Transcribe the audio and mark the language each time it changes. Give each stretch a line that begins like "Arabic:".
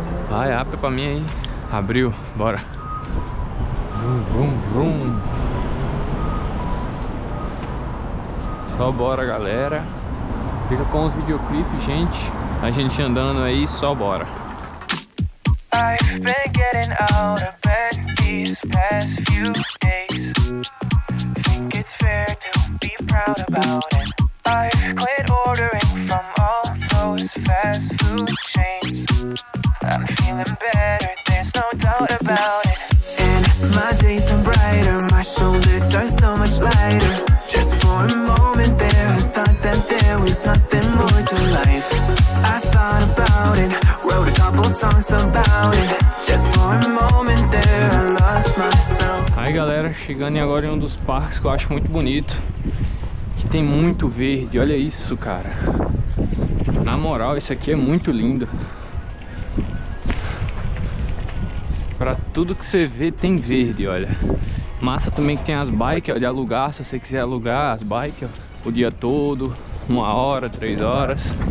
Portuguese: Vai, abre pra mim aí. Abriu, bora. Vrum, vrum, vrum. Só bora, galera. Fica com os videoclipes, gente. A gente andando aí, só bora.
English: I've been getting out of bed these past few days. Think it's fair to be proud about it. I quit ordering from all those fast food chains. I'm feeling better, there's no doubt about it. And my days are brighter, my shoulders are so much lighter. Just for a moment there, I thought that there was nothing more to life. I thought about it, wrote a couple songs about it. Just for a moment there, I lost myself.
Portuguese: Aí galera, chegando agora em um dos parques que eu acho muito bonito. Tem muito verde, olha isso, cara. Na moral, isso aqui é muito lindo. Pra tudo que você vê tem verde, olha. Massa também que tem as bikes, ó, de alugar, se você quiser alugar as bikes, ó, o dia todo, uma hora, três horas.